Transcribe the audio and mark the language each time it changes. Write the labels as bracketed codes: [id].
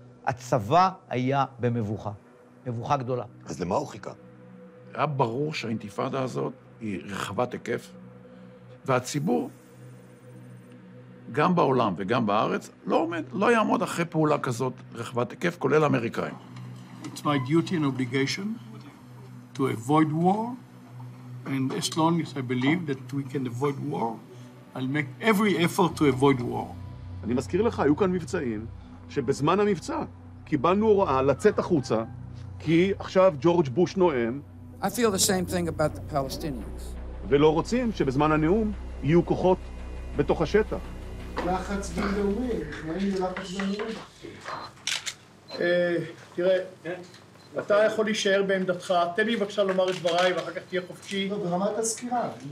[he] הצבא היה במבוכה. מבוכה גדולה. אז למה הוא חיכה? היה ברור שהאינטיפאדה הזאת היא רחבת היקף, והציבור, גם בעולם וגם בארץ, לא עומד, לא יעמוד אחרי פעולה כזאת רחבת היקף, כולל האמריקאים. [en] It's my duty and obligation to avoid war, and as long as I believe that we can avoid war, I'll make every effort to avoid war. [he] אני מזכיר לך, היו כאן מבצעים שבזמן המבצע קיבלנו הוראה לצאת החוצה, כי עכשיו ג'ורג' בוש נואם. [en] I feel the same thing about the Palestinians. [he] ולא רוצים שבזמן הנאום יהיו כוחות בתוך השטח. לחץ בינלאומי, איך נעים ללחץ בינלאומי? תראה, אתה יכול להישאר בעמדתך, תן לי בבקשה לומר את דבריי ואחר כך תהיה חופשי. לא, ברמת הסקירה.